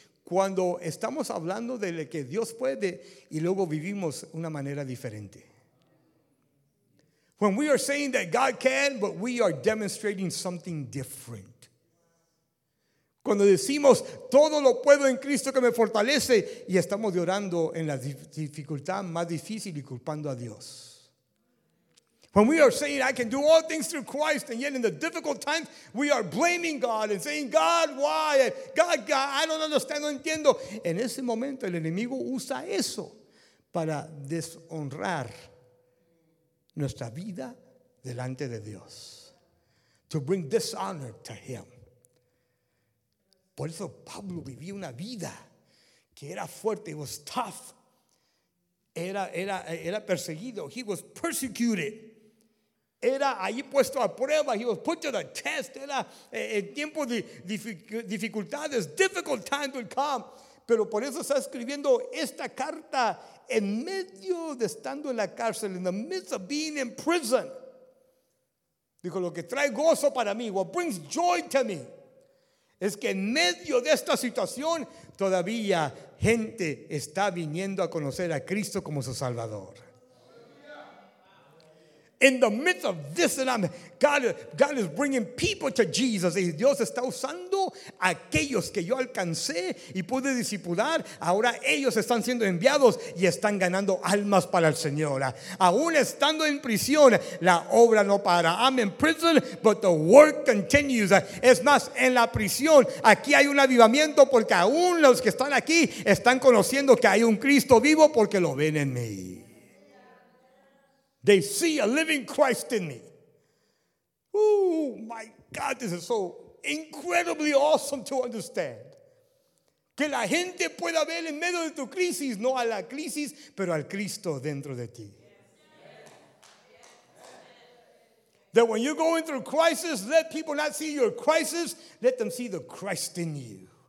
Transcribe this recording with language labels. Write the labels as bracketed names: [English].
[Spanish] Cuando estamos hablando de lo que Dios puede y luego vivimos una manera diferente. [English] When we are saying that God can, but we are demonstrating something different. [Spanish] Cuando decimos todo lo puedo en Cristo que me fortalece y estamos llorando en la dificultad más difícil y culpando a Dios. [English] When we are saying, I can do all things through Christ, and yet in the difficult times, we are blaming God and saying, God, why? God, I don't understand, [Spanish] no entiendo. En ese momento, el enemigo usa eso para deshonrar nuestra vida delante de Dios. [English] To bring dishonor to Him. [Spanish] Por eso Pablo vivía una vida que era fuerte, [English] it was tough. [Spanish] Era perseguido, [English] he was persecuted. [Spanish] Era ahí puesto a prueba. [English] He was put to the test. [Spanish] Era en tiempos de dificultades. [English] Difficult times will come. [Spanish] Pero por eso está escribiendo esta carta en medio de estando en la cárcel. [English] In the midst of being in prison. [Spanish] Dijo, lo que trae gozo para mí, [English] what brings joy to me, [Spanish] es que en medio de esta situación todavía gente está viniendo a conocer a Cristo como su Salvador. [English] In the midst of this, and I'm, God is bringing people to Jesus. [Spanish] Y Dios está usando aquellos que yo alcancé y pude discipular. Ahora ellos están siendo enviados y están ganando almas para el Señor. Aún estando en prisión, la obra no para. [English] I'm in prison, but the work continues. [Spanish] Es más, en la prisión, aquí hay un avivamiento porque aún los que están aquí están conociendo que hay un Cristo vivo porque lo ven en mí. [English] They see a living Christ in me. Oh my God, this is so incredibly awesome to understand. [Spanish] Que la gente pueda ver en medio de tu crisis, no a la crisis, pero al Cristo dentro de ti. [English] That when you're going through crisis, let people not see your crisis, let them see the Christ in you.